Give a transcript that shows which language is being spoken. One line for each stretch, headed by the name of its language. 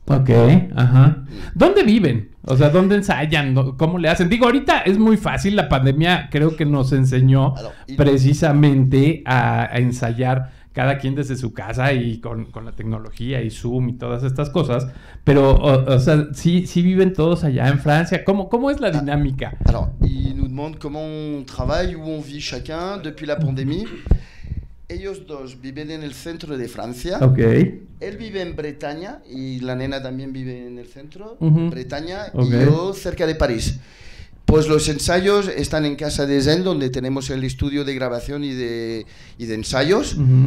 Spanish: Ok, ajá. ¿Dónde viven? O sea, ¿dónde ensayan? ¿Cómo le hacen? Digo, ahorita es muy fácil. La pandemia creo que nos enseñó precisamente a ensayar cada quien desde su casa y con la tecnología y Zoom y todas estas cosas. Pero, o sea, sí viven todos allá en Francia. ¿Cómo es la dinámica?
French: Alors, ils nous demandent comment on travaille, où on vit chacun depuis la pandémie.
Spanish: Ellos dos viven en el centro de Francia. Ok. Él vive en Bretaña y la nena también vive en el centro, Bretaña. Okay. Y yo cerca de París. Pues los ensayos están en casa de Zen, donde tenemos el estudio de grabación y de ensayos.